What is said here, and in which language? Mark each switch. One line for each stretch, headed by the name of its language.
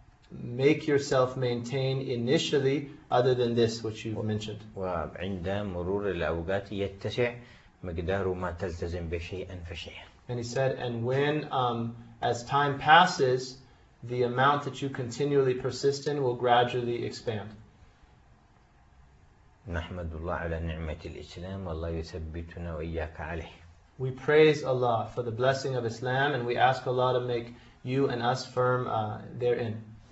English: make yourself maintain initially other than this which you've mentioned.
Arabic: وعند مرور الأوقات يتسع مقداره ما تلتزم بشيئا فشيئا.
English: And he said, and when as time passes, the amount that you continually persist in will gradually expand.
Arabic: نحمد الله على نعمة الإسلام والله يثبتنا وإياك عليه.
English: We praise Allah for the blessing of Islam and we ask Allah to make you and us firm therein.